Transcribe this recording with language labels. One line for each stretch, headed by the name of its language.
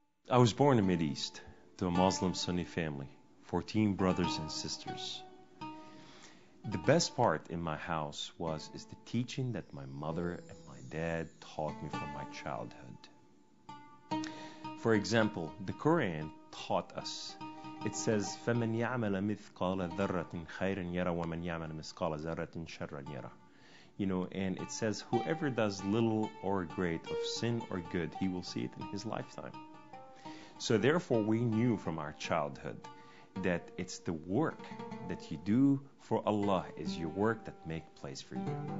English: I was born in the Middle East to a Muslim Sunni family, 14 brothers and sisters. The best part in my house is the teaching that my mother and my dad taught me from my childhood. For example, the Quran taught us. It says,
Arabic: فَمَنْ يَعْمَلَ مِثْقَالَ ذَرَّةٍ خَيْرًا يَرَى وَمَنْ يَعْمَلَ مِثْقَالَ ذَرَّةٍ شَرًّا يَرَى.
English: You know, and it says, whoever does little or great of sin or good, he will see it in his lifetime. So therefore, we knew from our childhood that it's the work that you do for Allah is your work that make place for you.